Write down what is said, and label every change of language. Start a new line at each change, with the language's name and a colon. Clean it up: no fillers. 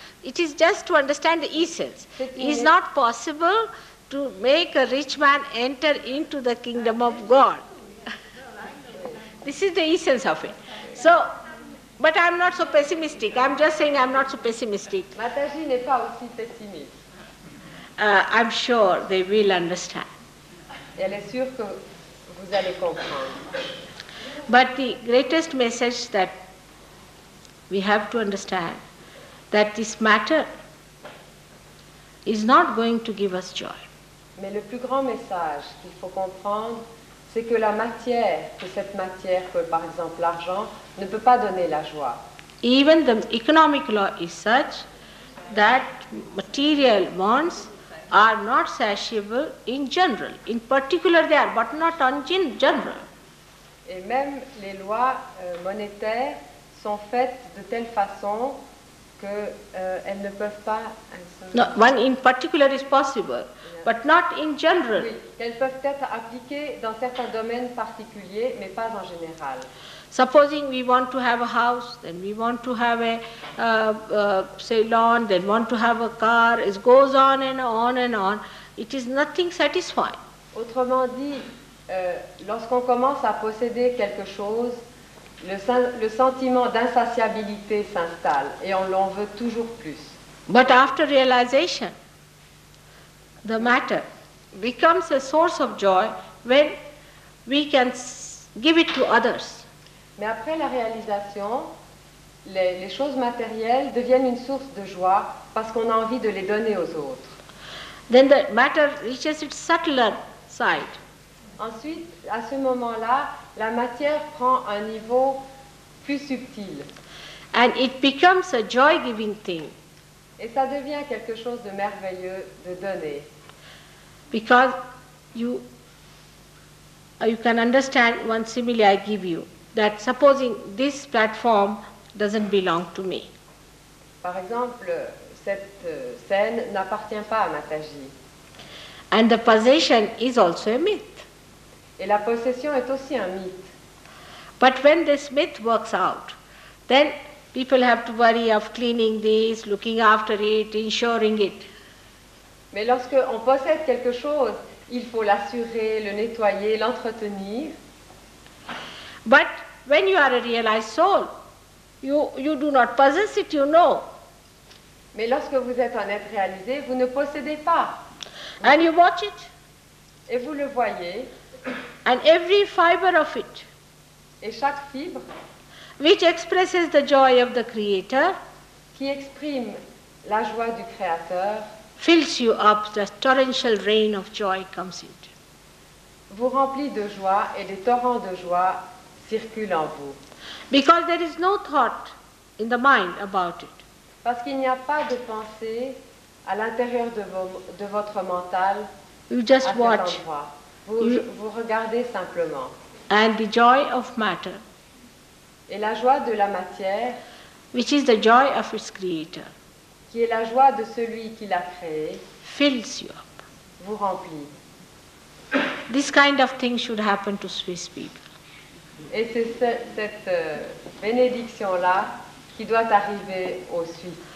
English: It is just to understand the essence. It is not possible to make a rich man enter into the kingdom of God. This is the essence of it. So, but I'm not so pessimistic. I'm just saying I'm not so pessimistic.
French: Mataji n'est pas aussi pessimiste.
English: I'm sure they will understand.
French: Elle est sûre que vous allez comprendre.
English: But the greatest message that we have to understand, that this matter is not going to give us joy.
French: Mais le plus grand message qu'il faut comprendre, c'est que la matière, que cette matière, que par exemple l'argent, ne peut pas donner la joie.
English: Even the economic law is such that material wants are not satiable in general. In particular they are, but not in general.
French: Et même les lois monétaires sont faites de telle façon qu'elles ne peuvent pas...
English: One in particular is possible, but not in general.
French: Oui, qu'elles peuvent être appliquées dans certains domaines particuliers, mais pas en général.
English: Supposing we want to have a house, then we want to have a salon, then want to have a car, it goes on and on and on. It is nothing satisfying.
French: Autrement dit, lorsqu'on commence à posséder quelque chose, le sentiment d'insatiabilité s'installe et on l'en veut toujours plus.
English: But after realization, the matter becomes a source of joy when we can give it to others.
French: Mais après la réalisation, les choses matérielles deviennent une source de joie parce qu'on a envie de les donner aux autres.
English: Then the matter reaches its subtler side.
French: Ensuite, à ce moment-là, la matière prend un niveau plus subtil.
English: And it becomes a joy-giving thing.
French: Et ça devient quelque chose de merveilleux de donner.
English: Because you can understand one simile I give you. That supposing this platform doesn't belong to me.
French: Par exemple, cette scène n'appartient pas à Mataji.
English: And the possession is also a myth.
French: Et la possession est aussi un mythe.
English: But when this myth works out, then people have to worry of cleaning this, looking after it, insuring it.
French: Mais lorsque on possède quelque chose, il faut l'assurer, le nettoyer, l'entretenir.
English: But when you are a realized soul, you do not possess it, you know.
French: Mais lorsque vous êtes un être réalisé, vous ne possédez pas.
English: And you watch it.
French: Et vous le voyez.
English: And every fiber of it.
French: Et chaque fibre.
English: Which expresses the joy of the Creator.
French: Qui exprime la joie du Créateur.
English: Fills you up, the torrential rain of joy comes in.
French: Vous remplit de joie et des torrents de joie circule en vous.
English: Because there is no thought in the mind about it.
French: Parce qu'il n'y a pas de pensée à l'intérieur de votre mental.
English: You just
French: à cet
English: watch.
French: Endroit. Vous regardez simplement.
English: And the joy of matter.
French: Et la joie de la matière.
English: Which is the joy of its creator.
French: Qui est la joie de celui qui l'a créé.
English: Fills you up.
French: Vous remplit.
English: This kind of thing should happen to Swiss people.
French: Et c'est cette bénédiction-là qui doit arriver aux Suisses.